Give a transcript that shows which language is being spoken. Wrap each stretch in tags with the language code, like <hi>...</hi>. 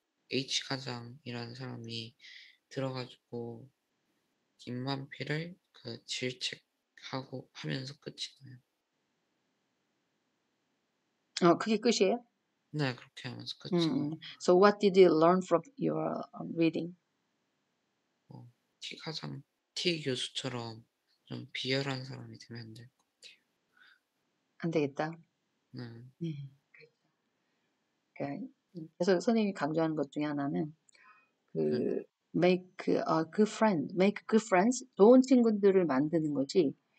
<ko>H 과장이라는 사람이 들어가지고 김만필을 그 질책하고 하면서 끝이 그게 끝이에요? 나요. 네, 그렇게 하면서 끝이 나요.</ko> <en>So what did you learn from your reading?</en> <ko>T 과장, T 교수처럼 좀 비열한 사람이 되면 될것 안 되겠다. 같아요. 네. 그래서 선생님이 강조하는 것 중에 하나는 그</ko> <en>good friend, make good friends,</en> <ko>좋은 친구들을 만드는 거지.</ko>